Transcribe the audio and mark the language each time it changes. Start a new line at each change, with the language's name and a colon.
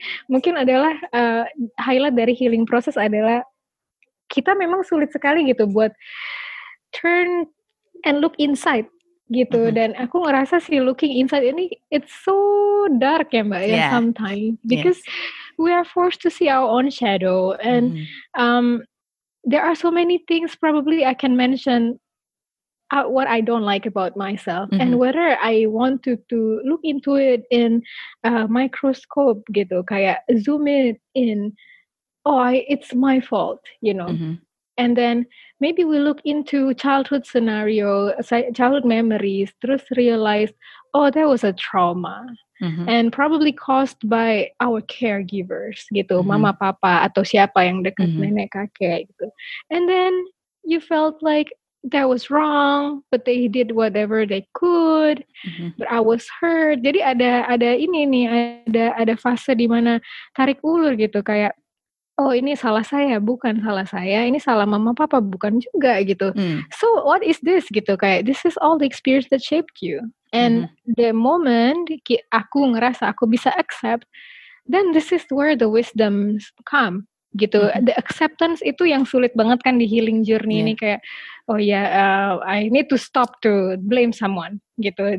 Indonesian: Mungkin adalah highlight dari healing process adalah kita memang sulit sekali gitu buat
English: turn and look inside
Indonesian: gitu. Mm-hmm. Dan aku ngerasa si looking inside ini,
English: it's so dark
Indonesian: ya Mbak ya sometimes.
English: Because we are forced to see our own shadow. And there are so many things probably I can mention what I don't like about myself. Mm-hmm. And whether I want to look into it in a microscope gitu. Kayak zoom it in. It's my fault, you know. Mm-hmm. And then maybe we look into childhood scenario, childhood memories, terus realize, that was a trauma. Mm-hmm. And probably caused by our caregivers, gitu. Mm-hmm.
Indonesian: Mama, papa, atau siapa yang dekat, nenek, kakek, gitu.
English: And then you felt like that was wrong, but they did whatever they could. Mm-hmm. But I was hurt.
Indonesian: Jadi ada ini nih, ada fase di mana tarik ulur, gitu, kayak, ini salah saya, bukan salah saya. Ini salah mama papa, bukan juga gitu.
English: Mm. So what is this gitu? Kayak this is all the experience that shaped you. And the moment
Indonesian: aku ngerasa aku bisa
English: accept, then this is where the wisdom come gitu. Mm. The acceptance
Indonesian: itu yang sulit banget kan di
English: healing journey ini. Kayak I need to stop to blame someone gitu.